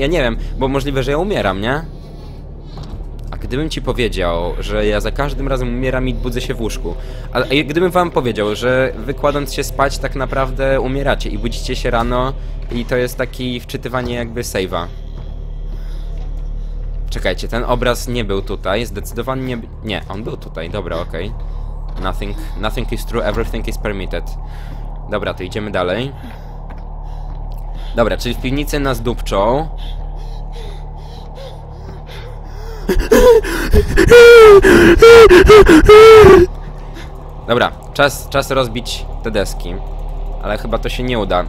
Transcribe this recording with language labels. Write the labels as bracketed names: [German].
[Polish] Ja nie wiem, bo możliwe, że ja umieram, nie? Gdybym ci powiedział, że ja za każdym razem umieram i budzę się w łóżku. A gdybym wam powiedział, że wykładając się spać tak naprawdę umieracie i budzicie się rano i to jest taki wczytywanie jakby save'a. Czekajcie, ten obraz nie był tutaj, zdecydowanie nie, on był tutaj, dobra, okej. [English] Okay. Nothing is true, everything is permitted. [Polish] Dobra, to idziemy dalej. Dobra, czyli w piwnicy nas dupczą. Dobra, czas rozbić te deski. Ale chyba to się nie uda.